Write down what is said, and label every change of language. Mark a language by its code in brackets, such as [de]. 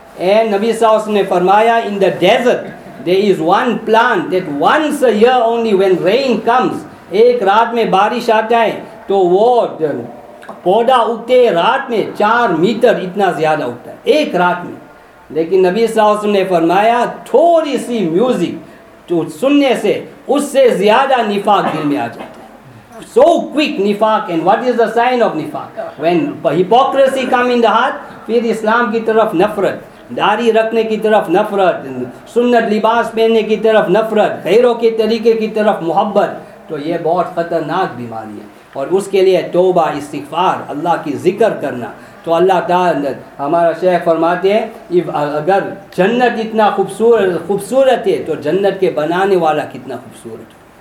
[hi] And नबी सल्लल्लाहु अलैहि वसल्लम ने फरमाया, in the desert [en] There is one plant that once a year only when rain comes, [hi] एक रात में बारिश आता है तो वो पौधा उगते रात में 4 मीटर इतना ज़्यादा उगता है एक रात में. लेकिन नबी सल्लल्लाहु अलैहि वसल्लम ने फरमाया, थोड़ी सी म्यूज़िक तो सुनने से उससे ज़्यादा निफाक दिल में आ जाता है. [en] So quick निफाक, and what is the sign of निफाक? When hypocrisy come in the heart, [hi] फिर इस्लाम की तरफ नफ़रत, दाढ़ी रखने की तरफ नफ़रत, सुन्नत लिबास पहनने की तरफ नफ़रत, गैरों के तरीके की तरफ मोहब्बत, तो ये बहुत ख़तरनाक बीमारी है. और उसके लिए तौबा इस्तिग़फ़ार, अल्लाह की जिक्र करना, तो अल्लाह ताला हमारा शेख फरमाते हैं, अगर जन्नत इतना खूबसूरत है तो जन्नत के बनाने वाला कितना खूबसूरत है.